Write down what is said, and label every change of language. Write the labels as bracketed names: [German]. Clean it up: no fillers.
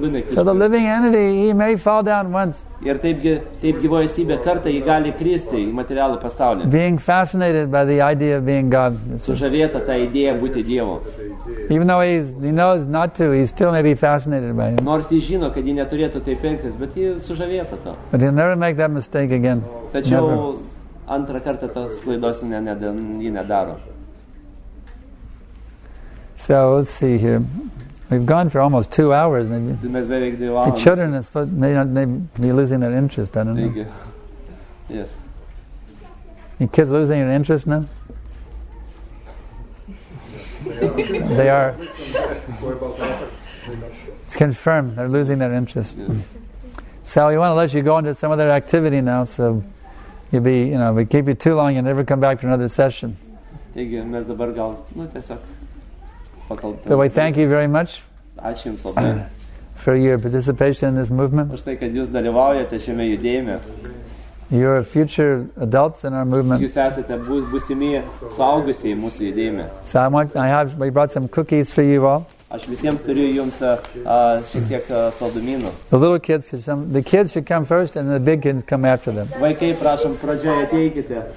[English] So the living entity, he may fall down once. [Lithuanian] Ir taip gyvoja esybė kartą, jį gali kristi į materialų pasaulį. [English] Being fascinated by the idea of being God. [Lithuanian] Sužavėta ta idėja būti Dievu. [English] Even though he knows not to, he's still maybe fascinated by it. [Lithuanian] Nors jis žino, kad jis neturėtų taip elgtis, bet jis sužavėta to. [English] But he'll never make that mistake again. [Lithuanian] Tačiau antrą kartą tos klaidos jį nedaro. [English] So, let's see here. We've gone for almost 2 hours, maybe. The children may be losing their interest, I don't know. Yes. Your kids losing their interest now? They are. It's confirmed, they're losing their interest. Yes. Sal, we want to let you go into some other activity now, so you'll be, you know, if we keep you too long, you'll never come back for another session. So we thank you very much. [Lithuanian] Ačiū Jums labai. [English] For your participation in this movement. [Lithuanian] Už tai, kad Jūs dalyvaujate šiame judėjime. [English] You are future adults in our movement. [Lithuanian] Jūs esate būsimi suaugusiai mūsų judėjime. [English] So we brought some cookies for you all. [Lithuanian] Aš visiems turiu Jums šiek tiek saldumynų. [English] The little kids, the kids should come first and the big kids come after them. [Lithuanian] Vaikai, prašom, pradžioje ateikite.